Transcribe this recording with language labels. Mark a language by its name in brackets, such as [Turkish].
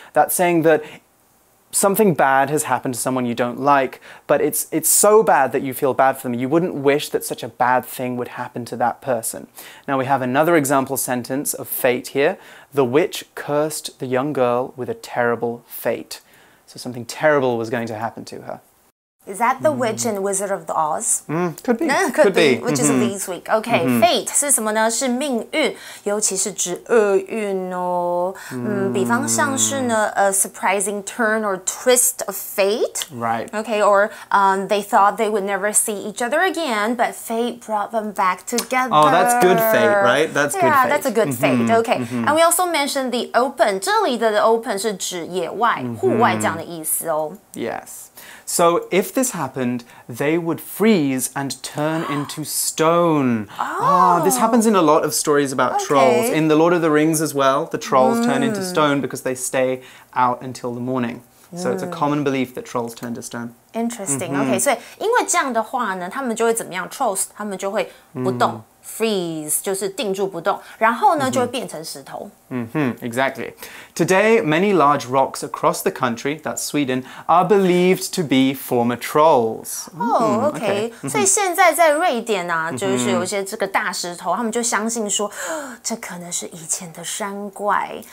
[English] That's saying that something bad has happened to someone you don't like, but it's so bad that you feel bad for them. You wouldn't wish that such a bad thing would happen to that person. Now we have another example sentence of fate here. The witch cursed the young girl with a terrible fate. So something terrible was going to happen to her. Is that the witch in Wizard of Oz? Could be. Could be. Which is this week. Okay, fate [Chinese] 是什么呢？是命运，尤其是指厄运哦。比方像是呢 [English] a surprising turn or twist of fate. Right. Okay, or they thought they would never see each other again, but fate brought them back together. Oh, that's good fate, right? That's good fate. Yeah, that's a good fate. Okay, and we also mentioned the open. [Chinese] 这里的 open 是指野外、户外这样的意思哦。 [English] Yes. So if this happened, they would freeze and turn into stone. This happens in a lot of stories about trolls. In The Lord of the Rings as well, the trolls turn into stone because they stay out until the morning. So it's a common belief that trolls turn to stone. Interesting. [Chinese] Okay, 所以因为这样的话呢，他们就会怎么样 ？Trolls， 他们就会不动。 Freeze, 就是定住不动，然后呢、mm-hmm. 就会变成石头。 [English] Mm-hmm, exactly. Today, many large rocks across the country, that's Sweden, are believed to be former trolls. Mm-hmm, oh, okay. Mm-hmm. [Chinese] 所以现在在瑞典啊，就是有些这个大石头， mm-hmm. 他们就相信说，这可能是以前的山怪。